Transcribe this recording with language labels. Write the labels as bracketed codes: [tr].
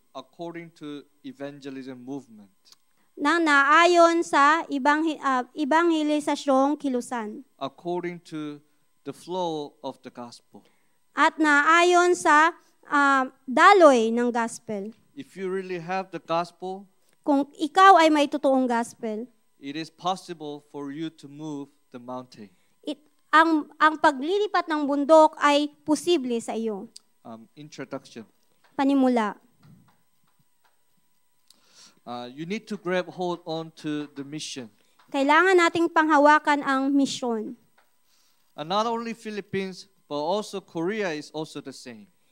[en] according to evangelism movement. [tl] Na naayon sa ibanghelisasyong kilusan. [en] According to the flow of the gospel. [tl] At naayon sa daloy ng gospel. [en] If you really have the gospel, [tl] kung ikaw ay may totoong gospel, [en] it is possible for you to move the mountain. [tl] Ang paglilipat ng bundok ay posible sa iyo. [en] Introduction. [tl] Panimula. [en] You need to grab hold on to the mission. [tl] Kailangan nating panghawakan ang mission. [en] Not only Philippines, but also Korea is also the same.